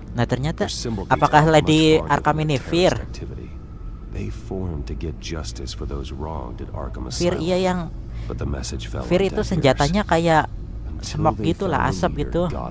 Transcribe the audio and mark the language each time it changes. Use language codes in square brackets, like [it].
[id] Nah, ternyata apakah Lady Arkham ini Fear? [en] They formed to get justice for those wronged at Arkham Asylum. [id] Fear iya yang Fear itu senjatanya kayak semak gitulah, asap gitu.